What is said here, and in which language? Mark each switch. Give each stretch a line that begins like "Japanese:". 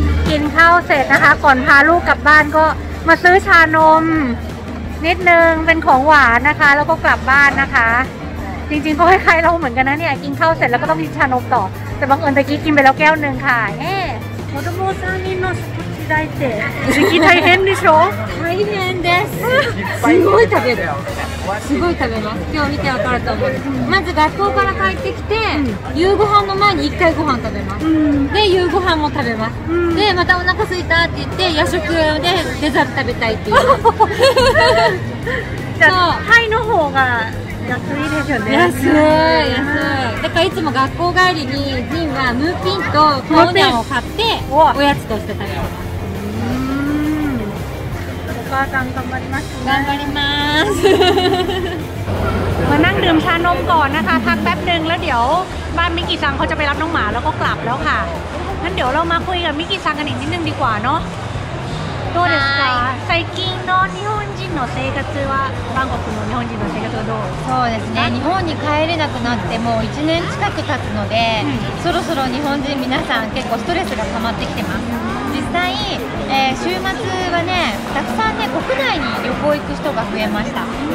Thai: กินข้าวเสร็จนะคะก่อนพาลูกกลับบ้านก็มาซื้อชานมนิดนึงเป็นของหวานนะคะแล้วก็กลับบ้านนะคะจริงๆก็คล้ายๆเราเหมือนกันนะเนี่ยกินข้าวเสร็จแล้วก็ต้องกินชานมต่อแต่บังเอิญตะกี้กินไปแล้วแก้วนึงค่ะเอ๊
Japanese: 子供3人の食事大抵時期大変でしょ大変ですすごい食べるすごい食べます今日見て分かると思うまず学校から帰ってきて夕ご飯の前に1回ご飯食べますで夕ご飯も食べますでまたお腹空いたって言って夜食でデザート食べたいっていうじゃあタイの方が安いですよね。安い安い。だからいつも学校帰りにジンはムーピンとコーニャンを買っておやつとして食べます。お母さん頑張りますね。頑張ります。
Thai: มานั่งดื่มชานมก่อนนะคะพักแป๊บนึงแล้วเดี๋ยวบ้านมิกิซังเขาจะไปรับน้องหมาแล้วก็กลับแล้วค่ะงั้นเดี๋ยวเรามาคุยกับมิกิซังกันอีกนิดนึงดีกว่าเนาะ
Japanese: どうですか。最近の日本人の生活はバンコクの日本人の生活はどう。そうですね。日本に帰れなくなってもう1年近く経つので、そろそろ日本人皆さん結構ストレスが溜まってきてます。実際、週末はね、たくさんね国内に旅行行く人が増えました。